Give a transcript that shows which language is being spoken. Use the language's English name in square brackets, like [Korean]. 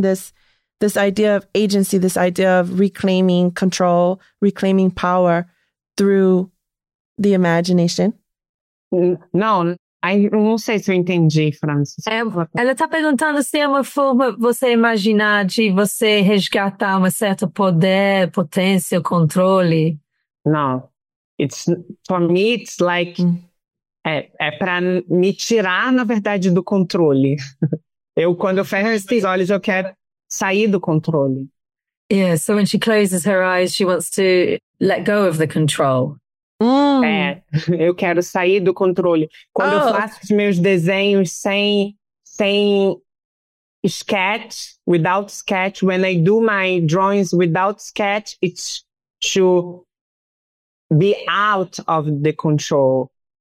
[English] This idea of agency, this idea of reclaiming control, reclaiming power through the imagination? No, I [Portuguese] não sei se eu entendi, Francis. Ela está perguntando se é uma forma de você imaginar, de você resgatar um certo poder, potência, controle. [English] No, it's, for me, it's like... Mm. [Portuguese] É para me tirar, na verdade, do controle. Eu, quando eu fecho esses olhos, eu quero sair do controle. [English] Yeah, so when she closes her eyes, she wants to let go of the control. [Portuguese] É, eu quero sair do controle. Quando eu faço os meus desenhos sem sketch, [English] without sketch, when I do my drawings without sketch, it's to be out of the control.